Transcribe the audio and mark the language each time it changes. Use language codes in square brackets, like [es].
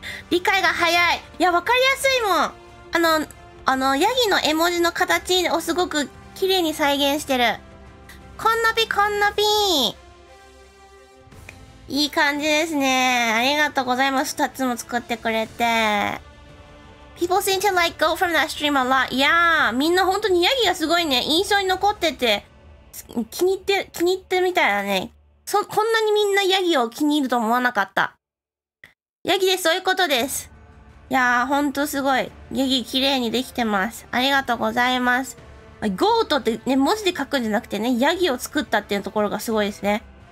[ja] 理解が早い。いや、わかりやすいもん。あの、ヤギの絵文字の形をすごく綺麗に再現してる。こんなぴ、こんなぴ。いい感じですね。ありがとうございます。二つも作ってくれて。 [en] People seem to like go from that stream a lot. [ja] Yeah, みんな本当にヤギがすごいね。印象に残ってて。気に入ってみたいだね。こんなにみんなヤギを気に入ると思わなかった。ヤギです、そういうことです。いやー、ほんとすごい。ヤギ綺麗にできてます。ありがとうございます。ゴートってね、文字で書くんじゃなくてね、ヤギを作ったっていうところがすごいですね。